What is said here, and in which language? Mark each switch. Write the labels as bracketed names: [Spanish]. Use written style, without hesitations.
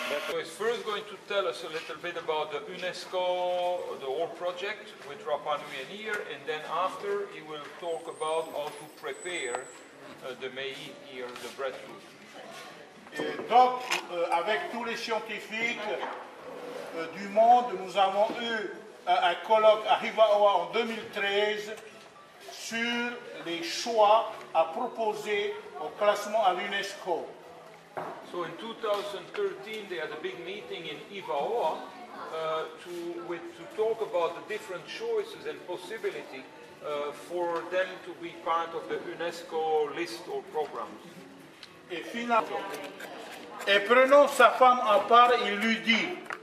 [English] So it's first going to tell us a little bit about the UNESCO, the whole project with Rapa Nui and here, and then after he will talk about how to prepare the mei here, the breadfruit. [French] Donc, avec tous les scientifiques du monde, nous avons eu un colloque à Hivaoa en 2013 sur les choix à proposer au classement à l'UNESCO. [English] So in 2013, they had a big meeting in Hivaoa to talk about the different choices and possibility for them to be part of the UNESCO list or program. [French] Et finalement, et prenant sa femme à part, il lui dit.